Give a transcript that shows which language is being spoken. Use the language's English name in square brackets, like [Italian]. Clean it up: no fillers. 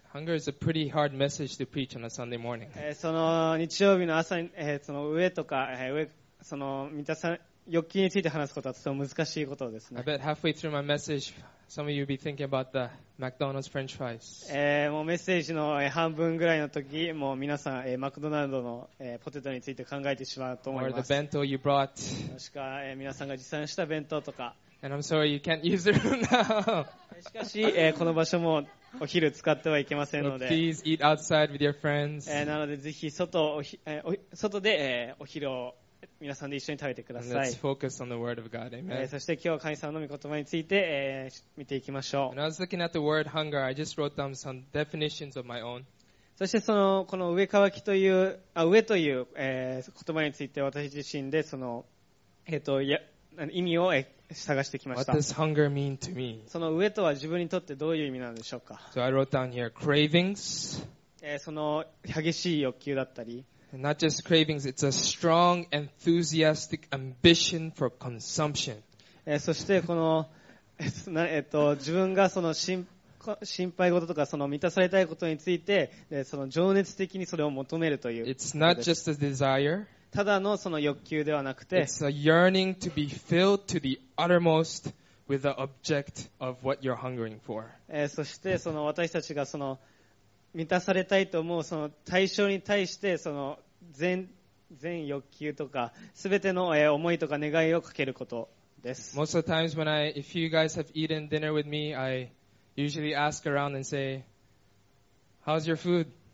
[English] Hunger is a pretty hard message to preach on a Sunday morning. [Japanese] その日曜日の朝にその飢えとか飢えその満たされ欲求について話すことはとても難しいことですね。 [English] I bet halfway through my message, some of you will be thinking about the McDonald's French fries. [Japanese] もうメッセージの半分ぐらいの時、もう皆さんマクドナルドのポテトについて考えてしまうと思います。 [English] Or the bento you brought. [Japanese] もしくは皆さんが持参した弁当とか。 [English] And I'm sorry you can't use the room now. [Japanese] しかし、この場所もお昼使ってはいけませんので。 [English] Please eat outside with your friends. [Japanese] なのでぜひ外で、お昼を皆さんで一緒に食べてください。 [English] Let's focus on the word of God. Amen. [Japanese] そして今日は神様の御言葉について、見ていきましょう。 [English] When I was looking at the word hunger, I just wrote down some definitions of my own. [Japanese] そしてそのこの飢え渇きという、飢えという、言葉について私自身でその、意味を探してきました。 [English] What does hunger mean to me? [Japanese] その飢えとは自分にとってどういう意味なんでしょうか。 [English] So I wrote down here cravings. [Japanese] その激しい欲求だったり、 [English] Not just cravings, it's a strong, enthusiastic ambition for consumption. [Japanese] そしてこの、自分がその心配事とかその満たされたいことについて、その情熱的にそれを求めるという。 [English] It's not just a desire. [Japanese] ただのその欲求ではなくて、 [English] It's a yearning to be filled to the uttermost with the object of what you're hungering for. [Japanese] そしてその私たちがその満たされたいと思うその対象に対してその 全欲求とか全ての思いとか願いをかけることです。 [English] Most of the times when if you guys have eaten dinner with me, I usually ask around and say, How's your food?